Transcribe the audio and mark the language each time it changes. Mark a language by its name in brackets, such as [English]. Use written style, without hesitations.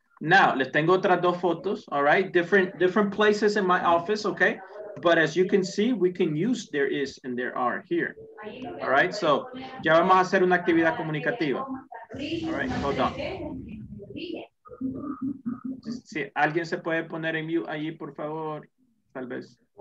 [Spanish] Now, les tengo otras dos fotos, [English] all right? Different places in my office, okay? But as you can see, we can use there is and there are here. All right, so [Spanish] ya vamos a hacer una actividad comunicativa. [English] All right, hold on. [Spanish] Si alguien se puede poner en mute allí, por favor, tal vez.